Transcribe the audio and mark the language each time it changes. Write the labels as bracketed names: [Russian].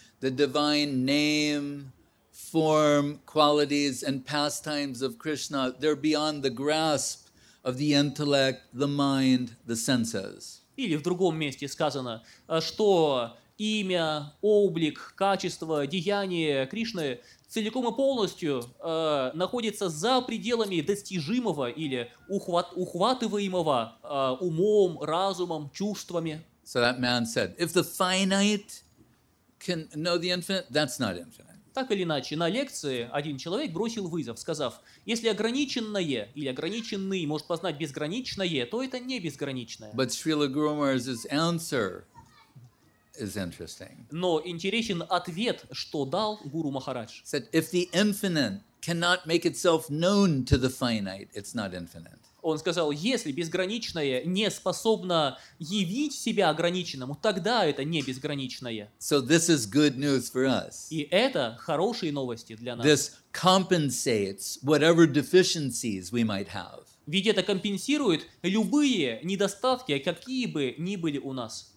[English] The divine name, form, qualities and pastimes of Krishna, they're beyond the grasp of the intellect, the mind, the senses. [Russian] Или в другом месте сказано, что имя, облик, качество, деяние Кришны целиком и полностью находится за пределами достижимого или ухватываемого умом, разумом, чувствами. [English] So that man said, if the finite can know the infinite, that's not infinite. [Russian] Так или иначе, на лекции один человек бросил вызов, сказав: если ограниченное или ограниченный может познать безграничное, то это не безграничное. [English] But Srila Guru Maharaj's answer is interesting. [Russian] Но интересен ответ, что дал Гуру Махарадж. [English] Said, if the infinite cannot make itself known to the finite, it's not infinite. [Russian] Он сказал: если безграничное не способно явить себя ограниченному, тогда это не безграничное. [English] So this is good news for us. [Russian] И это хорошие новости для нас. [English] This compensates whatever deficiencies we might have. [Russian] Ведь это компенсирует любые недостатки, какие бы ни были у нас.